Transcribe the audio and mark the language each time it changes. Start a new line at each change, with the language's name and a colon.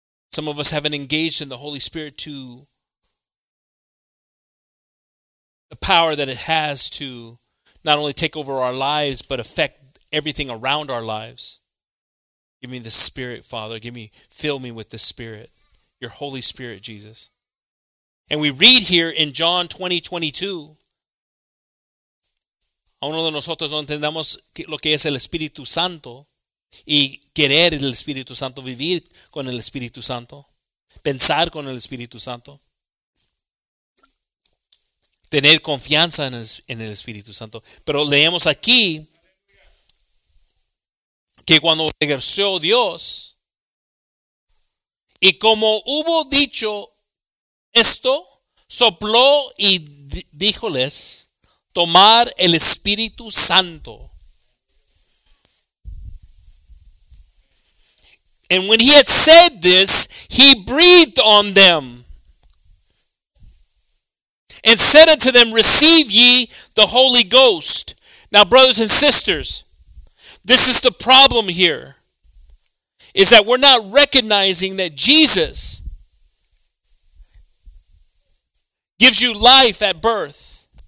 English: Some of us haven't engaged in the Holy Spirit to the power that it has to not only take over our lives, but affect everything around our lives. Give me the Spirit, Father. Give me, fill me with the Spirit, your Holy Spirit, Jesus. And we read here in John 20, 22,
Spanish: a uno de nosotros no entendamos lo que es el Espíritu Santo y querer el Espíritu Santo, vivir con el Espíritu Santo, pensar con el Espíritu Santo, tener confianza en el Espíritu Santo. Pero leemos aquí que cuando regresó Dios y como hubo dicho esto, sopló y díjoles, tomar el Espíritu Santo.
English: And when he had said this, he breathed on them and said unto them, receive ye the Holy Ghost. Now, brothers and sisters, this is the problem here, is that we're not recognizing that Jesus gives you life at birth.